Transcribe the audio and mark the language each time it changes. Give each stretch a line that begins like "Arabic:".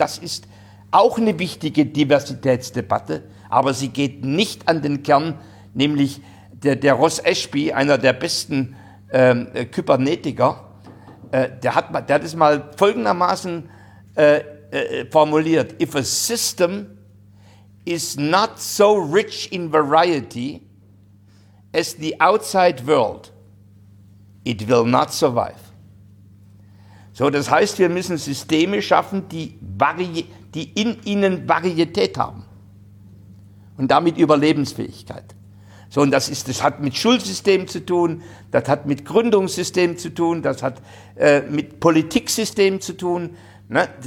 German: Das ist auch eine wichtige Diversitätsdebatte, aber sie geht nicht an den Kern, nämlich der Ross Ashby, einer der besten Kybernetiker, der hat es mal folgendermaßen formuliert.
English: If a system is not so rich in variety as the outside world, it will not survive.
German: So, das heißt, wir müssen Systeme schaffen, die in ihnen Varietät haben. und damit Überlebensfähigkeit. So, und das hat mit Schulsystem zu tun, das hat mit Gründungssystem zu tun, das hat mit Politiksystem zu tun. Ne?